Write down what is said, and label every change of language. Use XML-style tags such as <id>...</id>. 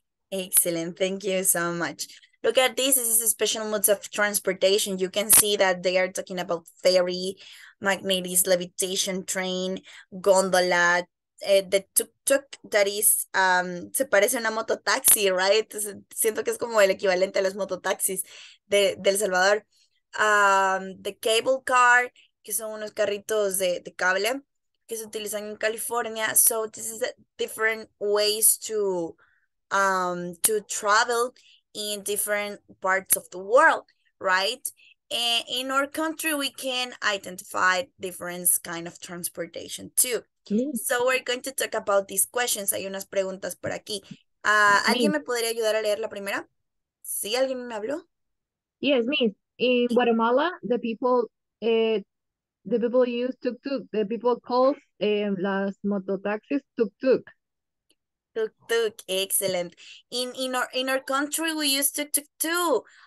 <en>Excellent. Thank you so much. Look at this. This is a special modes of transportation. You can see that they are talking about ferry, magnetis, levitation train, gondola, the tuk-tuk, that is,</en> <es>se parece a una mototaxi,</es> <en>right?</en> <es>Entonces, siento que es como el equivalente a los mototaxis de El Salvador. The cable car, que son unos carritos de cable que se utilizan en California.</es> <en>So this is different ways to travel in different parts of the world, right? And in our country, we can identify different kind of transportation too. So we're going to talk about these questions.</en> <es>Hay unas preguntas por aquí. ¿Alguien me podría ayudar a leer la primera? ¿Sí? ¿Alguien me habló?</es> <en>Yes, me. In Guatemala, the people use tuk-tuk. The people call las mototaxis tuk-tuk. Tuk-tuk, excellent. In our country, we use tuk-tuk too.</en>